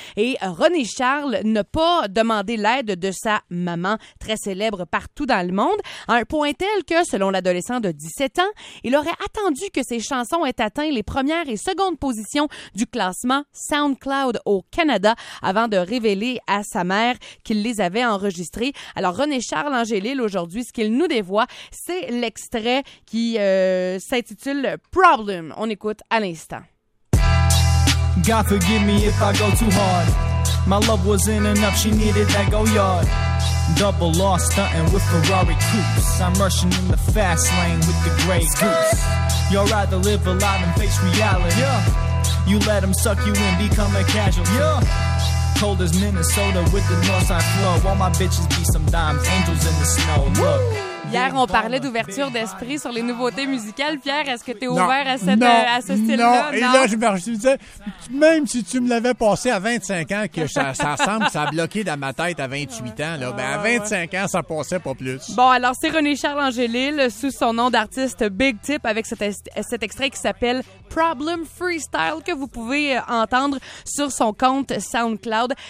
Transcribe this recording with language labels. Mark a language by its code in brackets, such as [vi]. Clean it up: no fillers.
[fr] Et René Charles n'a pas demandé l'aide de sa maman, très célèbre partout dans le monde, à un point tel que, selon l'adolescent de 17 ans, il aurait attendu que ses chansons aient atteint les premières et secondes positions du classement SoundCloud au Canada avant de révéler à sa mère qu'il les avait enregistrés. Alors, René Charles Angélil, aujourd'hui, ce qu'il nous dévoie, c'est l'extrait qui s'intitule Problem. On écoute à l'instant. [en] God forgive me if I go too hard. My love wasn't enough, she needed that go yard. Double loss, stunting with Ferrari coupes. I'm rushing in the fast lane with the gray goose. You'll rather live alive and face reality. You let them suck you in, become a casualty. Cold as Minnesota with the Northside flow. All my bitches be some dimes, angels in the snow. Look. [fr] Hier, on parlait d'ouverture d'esprit sur les nouveautés musicales. Pierre, est-ce que tu es ouvert à ce style-là? Non, et là, je me disais, même si tu me l'avais passé à 25 ans, que ça semble, ça a bloqué dans ma tête à 28 ans, là, ben à 25 ans, ça passait pas plus. Bon, alors, c'est René Charles Angélil, sous son nom d'artiste Big Tip, avec cet extrait qui s'appelle Problem Freestyle, que vous pouvez entendre sur son compte SoundCloud.